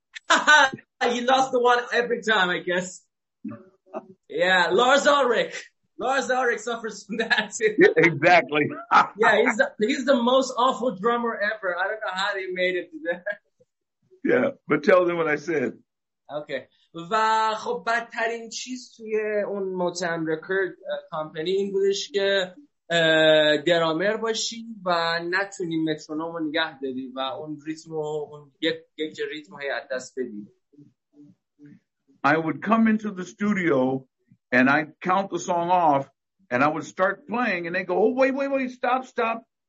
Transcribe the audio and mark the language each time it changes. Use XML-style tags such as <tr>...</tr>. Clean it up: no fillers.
<en>You lost the one every time, I guess. Yeah, Lars Ulrich. Lars Ulrich suffers from that too. Yeah, exactly. Yeah, he's the most awful drummer ever. I don't know how they made it to that. Yeah, but tell them what I said. Okay.</en> <fa>و خب بدترین چیز توی اون Motown Record کمپانی این بودش که درامر باشی و نتونی مترونوم رو نگه داری و اون ریتم رو اون یک ریتم های از دست بدی.</fa> <en>I would come into the studio and I'd count the song off and I would start playing and they go, "Oh, wait, stop.</en>